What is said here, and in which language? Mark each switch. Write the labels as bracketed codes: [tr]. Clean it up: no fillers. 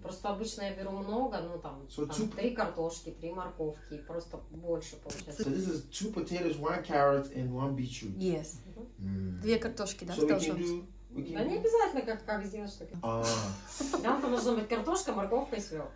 [ru] Просто обычно я беру много, ну там, so там [en] two... [ru] три картошки, три морковки, просто больше получается. [en] So this is two potatoes, one carrot and one beetroot. Yes. [ru] Две картошки, да, so скажем. Да не обязательно как сделать так. Там там должно быть картошка, морковка и свёкла.